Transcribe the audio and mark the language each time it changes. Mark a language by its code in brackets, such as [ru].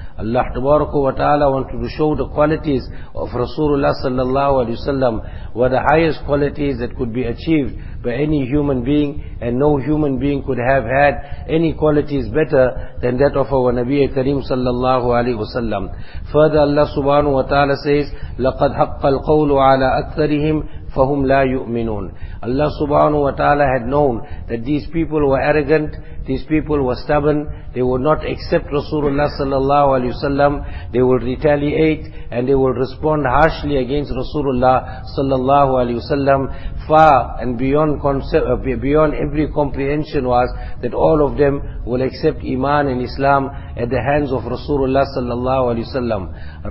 [en] Allah tabaraka wa ta'ala wanted to show the qualities of Rasulullah sallallahu alayhi wa sallam were the highest qualities that could be achieved by any human being, and no human being could have had any qualities better than that of our Nabi Kareem sallallahu alayhi wa sallam. Further, Allah subhanahu wa ta'ala says, [ar] لَقَدْ حَقَّ الْقَوْلُ عَلَىٰ أَكْثَرِهِمْ فَهُمْ لَا يُؤْمِنُونَ. [en] Allah subhanahu wa ta'ala had known that these people were arrogant, these people were stubborn, they would not accept Rasulullah sallallahu alayhi wa sallam, they will retaliate and they will respond harshly against Rasulullah sallallahu alayhi wa sallam. Far and beyond concept, beyond every comprehension was that all of them will accept Iman and Islam at the hands of Rasulullah sallallahu alayhi wa sallam.